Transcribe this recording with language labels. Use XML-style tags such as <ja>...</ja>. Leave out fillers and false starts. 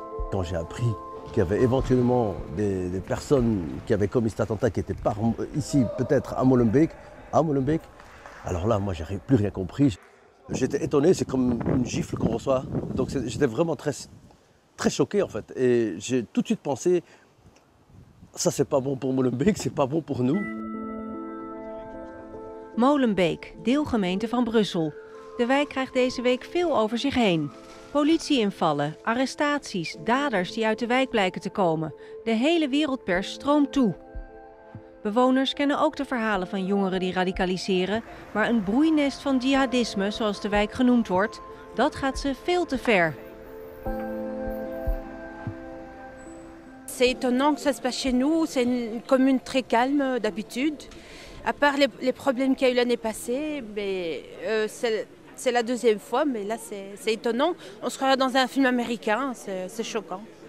<fr>Quand j'ai appris qu'il y avait éventuellement des personnes qui avaient commis cet attentat qui étaient par, ici peut-être à Molenbeek, alors là moi j'ai plus rien compris. J'étais étonné, c'est comme une gifle qu'on reçoit. Donc j'étais vraiment très, très choqué en fait. Et j'ai tout de suite pensé, ça c'est pas bon pour Molenbeek, c'est pas bon pour nous.</fr> <nl>Molenbeek, deelgemeente van Brussel. De wijk krijgt deze week veel over zich heen. Politieinvallen, arrestaties, daders die uit de wijk blijken te komen. De hele wereldpers stroomt toe. Bewoners kennen ook de verhalen van jongeren die radicaliseren, maar een broeinest van jihadisme, zoals de wijk genoemd wordt, dat gaat ze veel te ver.</nl> <fr>C'est étonnant que ça se passe chez nous. C'est une commune très calme d'habitude. À part les problèmes qu'il y a eu l'année passée, mais c'est la deuxième fois. Mais là, c'est étonnant. On se croirait dans un film américain. C'est choquant.</fr>